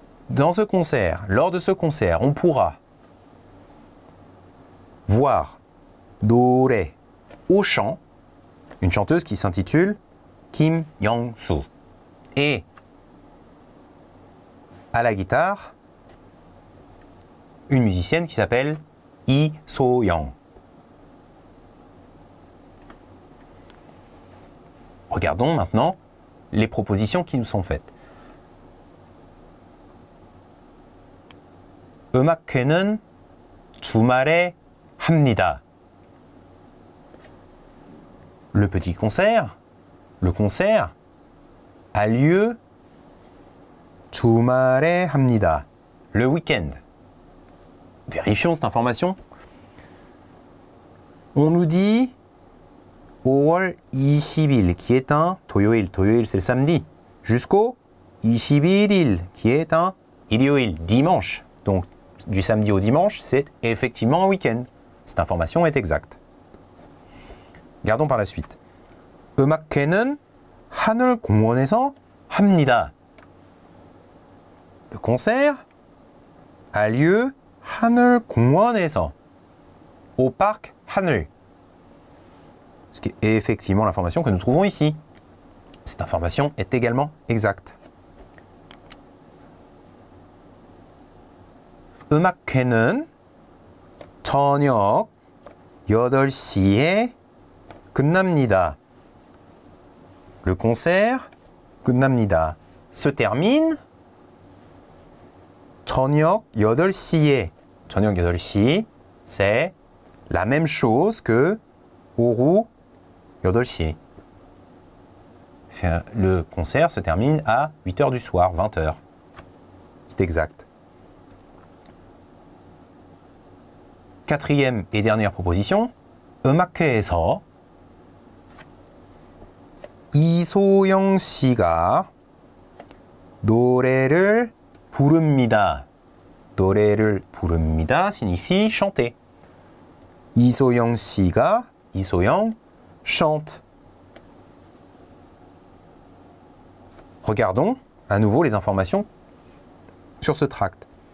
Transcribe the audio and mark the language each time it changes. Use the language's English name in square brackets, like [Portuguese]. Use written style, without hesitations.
[French] Dans ce concert, lors de ce concert, on pourra voir Dore au chant, une chanteuse qui s'intitule Kim Young-soo, et à la guitare, une musicienne qui s'appelle Yi So-young. Regardons maintenant les propositions qui nous sont faites. [Korean] 음악회는 주말에 합니다. [French] Le petit concert, le concert, a lieu [Korean] 주말에 합니다. [French] Le week-end. Vérifions cette information. On nous dit [Korean] 5월 20일, [French] qui est un toyoil. Toyoil, c'est le samedi. Jusqu'au [Korean] 21일, [French] qui est un ilioil, dimanche. Donc, du samedi au dimanche, c'est effectivement un week-end. Cette information est exacte. Gardons par la suite. [Korean] 음악회는 하늘공원에서 합니다. [French] Le concert a lieu [Korean] 하늘공원에서, [French] au parc 하늘. Ce qui est effectivement l'information que nous trouvons ici. Cette information est également exacte. [Korean] 음악회는 저녁 8시에 끝납니다. [French] Le concert [Korean] 끝납니다 [French] se termine [Korean] 저녁 8시에. 저녁 8시, [French] c'est la même chose que [Korean] 오후 8시. [French] Le concert se termine à 8h du soir, 20h. C'est exact. Quatrième et dernière proposition. [Korean] 음악회에서 이소영 씨가 노래를 부릅니다. 노래를 부릅니다 [French] signifie chanter. [Korean] 이소영 씨가 이소영 [French] chante. Regardons à nouveau les informations sur ce tract.